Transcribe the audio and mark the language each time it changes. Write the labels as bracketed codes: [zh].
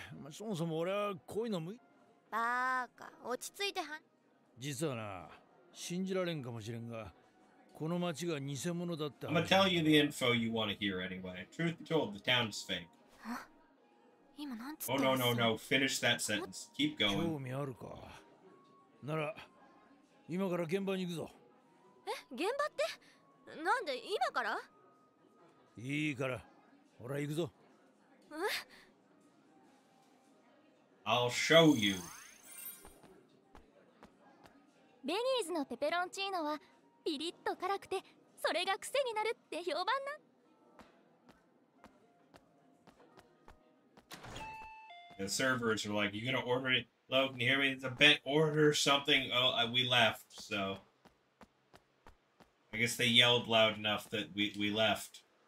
[ja] そもそも俺はこういうの向いバーカ落ち着いてはん。実はな、信じられんかもしれんが、この町が偽物だった。 [en] I'm gonna tell you the info you want to hear anyway. Truth be told, the town is fake. [ja] は？今なんつ [en] って。Oh no no no! Finish that sentence. Keep going. [ja] 興味あるか。なら今から現場に行くぞ。え、現場って？なんで今から？いいから、ほら行くぞ。え？ [en] I'll show you. [ja] ベニーズのペペロンチーノはピリッと辛くてそれが癖になるって評判な。 [en] The servers are like, you're gonna order it. Lo, can you hear me? It's a bet. Order something. Oh, we left. So, I guess they yelled loud enough that we left.